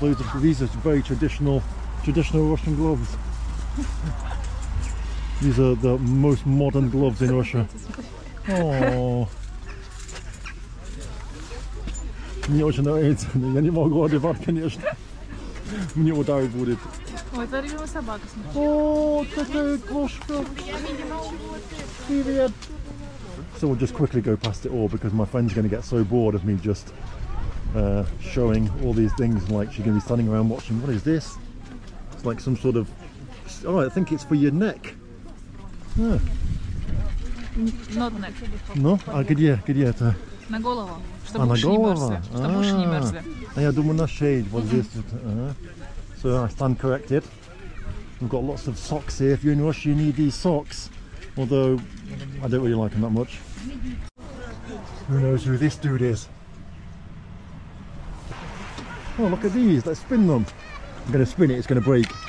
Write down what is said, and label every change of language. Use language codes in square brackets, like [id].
[en] Loads of, these are very traditional Russian gloves. These are the most modern gloves in Russia. Oh. [ru] Мне очень нравится, но я не могу одевать, конечно. Мне ударить будет. Ой, это любимая собака. О, какая кошка. Привет. [en] So we'll just quickly go past it all because my friend's going to get so bored of me just showing all these things, like she's going to be standing around watching. What is this? It's like some sort of, oh, I think it's for your neck. Yeah. Not neck. [ru] No? А где? Где это? На голову, чтобы уши не мерзли. А я думаю на шею. Вот здесь. [en] So I stand corrected. We've got lots of socks here. If you're in Russia, you need these socks. Although, I don't really like them that much. Who knows who this dude is? Oh, look at these, let's spin them. I'm gonna spin it, it's gonna break.